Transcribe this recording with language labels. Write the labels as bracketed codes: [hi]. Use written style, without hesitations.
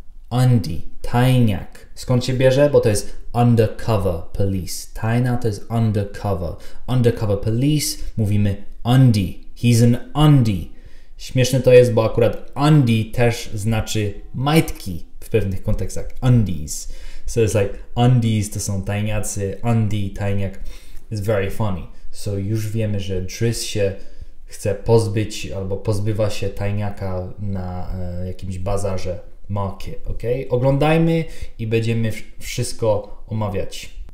[pl] Undy, tajniak. Skąd się bierze? Bo to jest [en] undercover police. [pl] Tajna to jest undercover. [en] Undercover police, [pl] mówimy undy. [en] He's an undy. [pl] Śmieszne to jest, bo akurat undy też znaczy majtki w pewnych kontekstach. [en] Undies. So it's like undies [pl] to są tajniacy, undy, tajniak. [en] It's very funny. [pl] So już wiemy, że Driss się chce pozbyć albo pozbywa się tajniaka na jakimś bazarze. Market, ok? Oglądajmy i będziemy wszystko omawiać.